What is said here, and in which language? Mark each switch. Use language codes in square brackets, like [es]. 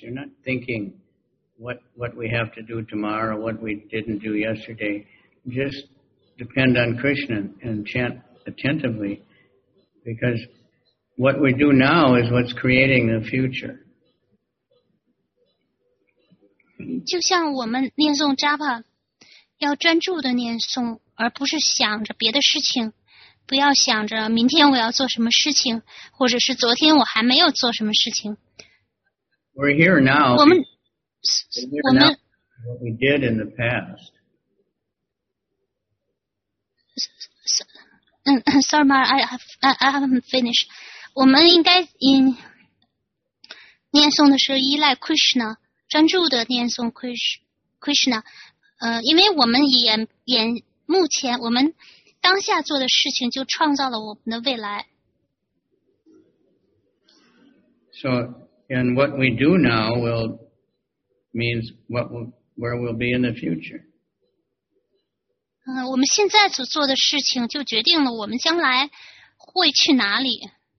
[en] You're not thinking what we have to do tomorrow, what we didn't do yesterday. Just depend on Krishna and chant attentively because what we do now is what's creating the future. [zh] 就像我们念诵 japa, 要专注地念诵而不是想着别的事情。不要想着明天我要做什么事情，或者是昨天我还没有做什么事情。 [en] We're here now. What we did in the past. Sorry, Mark, I haven't finished. [zh] 我们应该念诵的是依赖 Krishna， 专注的念诵 Krishna。因为我们眼目前我们。当下做的事情就创造了我们的未来。 [en] So, and what we do now will means what will, where we'll be in the future. [zh] 我们现在所做的事情就决定了我们将来会去哪里。